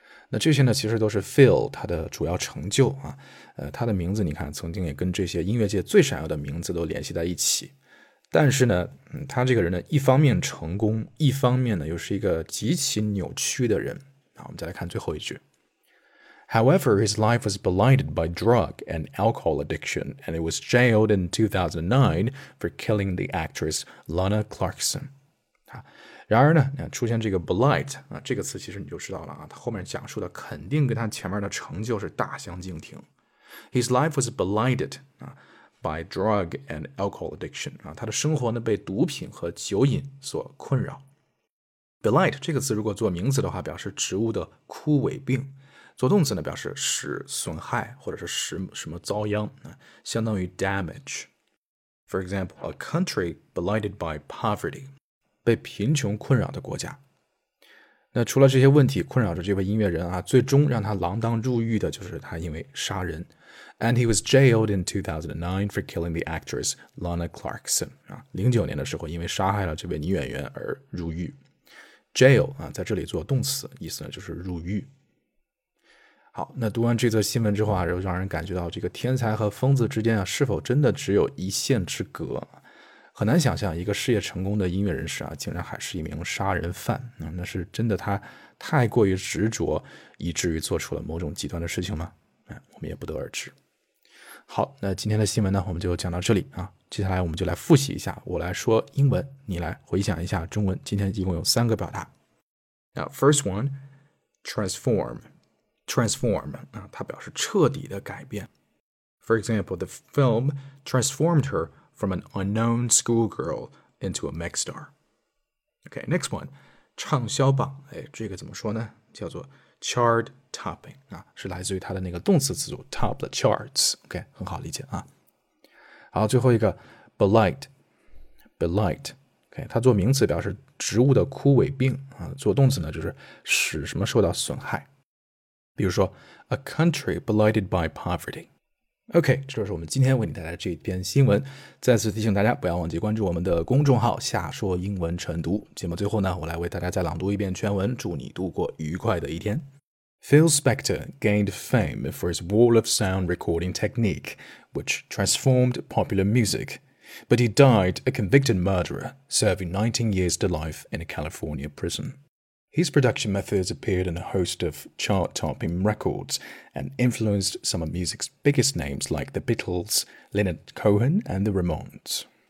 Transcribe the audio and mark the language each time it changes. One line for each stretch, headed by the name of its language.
Chinese: 那这些呢其实都是 Phil 他的主要成就啊，他的名字你看曾经也跟这些音乐界最闪耀的名字都联系在一起，但是呢、他这个人呢一方面成功，一方面呢又是一个极其扭曲的人。我们再来看最后一句。
English: However, his life was blinded by drug and alcohol addiction, and he was jailed in 2009 for killing the actress Lana Clarkson.
Chinese: 然而呢，出现这个 blight、这个词其实你就知道了啊，他后面讲述的肯定跟他前面的成就是大相径庭。
English: His life was blinded、by drug and alcohol addiction.、
Chinese: 他的生活呢被毒品和酒瘾所困扰。 Blight 这个词如果做名词的话表示植物的枯萎病，做动词呢表示使损害或者是使什么遭殃，相当于 damage。
English: For example, a country blighted by poverty，
Chinese: 被贫穷困扰的国家。那除了这些问题困扰着这位音乐人啊，最终让他锒铛入狱的就是他因为杀人。
English: And he was jailed in 2009 for killing the actress Lana Clarkson、
Chinese: 09年的时候因为杀害了这位女演员而入狱。 Jail、在这里做动词，意思呢就是入狱。好，那读完这则新闻之后啊，就让人感觉到这个天才和疯子之间啊，是否真的只有一线之隔？很难想象一个事业成功的音乐人士啊，竟然还是一名杀人犯、那是真的他太过于执着，以至于做出了某种极端的事情吗？我们也不得而知。好，那今天的新闻呢，我们就讲到这里啊。接下来我们就来复习一下，我来说英文，你来回想一下中文。今天一共有三个表达。
English: Now, first one, transform.
Chinese: Transform, 它表示彻底的改变。
English: For example, the film transformed her from an unknown schoolgirl into a megastar. Okay, next one,
Chinese: 畅销榜。这个怎么说呢？叫做 chart topping, 是来自于它的那个动词词组
English: top the charts.
Chinese: Okay, 很好理解啊。好，最后一个 blight okay, 它做名词表示植物的枯萎病、做动词呢就是使什么受到损害，比如说
English: a country blighted by poverty.
Chinese: OK, 这就是我们今天为你带来这篇新闻，再次提醒大家不要忘记关注我们的公众号下说英文晨读。节目最后呢，我来为大家再朗读一遍全文，祝你度过愉快的一天。
English: Phil Spector gained fame for his wall of sound recording technique, which transformed popular music. But he died a convicted murderer, serving 19 years to life in a California prison. His production methods appeared in a host of chart-topping records and influenced some of music's biggest names like the Beatles, Leonard Cohen, and the Ramones.